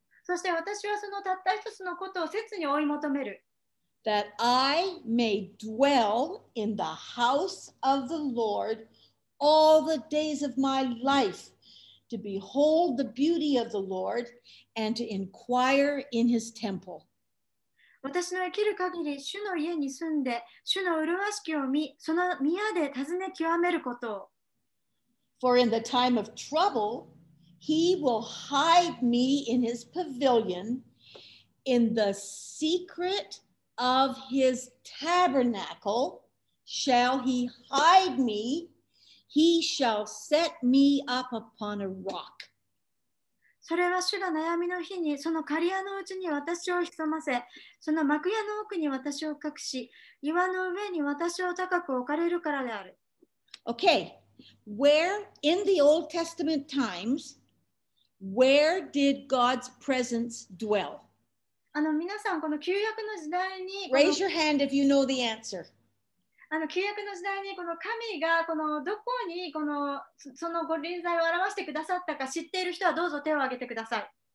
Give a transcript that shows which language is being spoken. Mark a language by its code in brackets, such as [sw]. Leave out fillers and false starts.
[ja] そして私はそのたった一つのことを切に追い求める。 [en] That I may dwell in the house of the Lord all the days of my life, to behold the beauty of the Lord and to inquire in his temple. [ja] 私の生きる限り、主の家に住んで、主の麗しきを見、その宮で尋ね極めることを。 [en] For in the time of trouble,He will hide me in his pavilion, in the secret of his tabernacle shall he hide me, he shall set me up upon a rock. [ja] それは主が悩みの日にその狩り屋のうちに私を潜ませ、その幕屋の奥に私を隠し、岩の上に私を高く置かれるからである。 [en] Okay, where in the Old Testament times,Where did God's presence dwell? [ja] あの皆さんこの旧約の時代に [en] Raise your hand if you know the answer. [ja] あの旧約の時代にこの神がこのどこにこのその御臨在を表してくださったか知っている人はどうぞ手を挙げてください。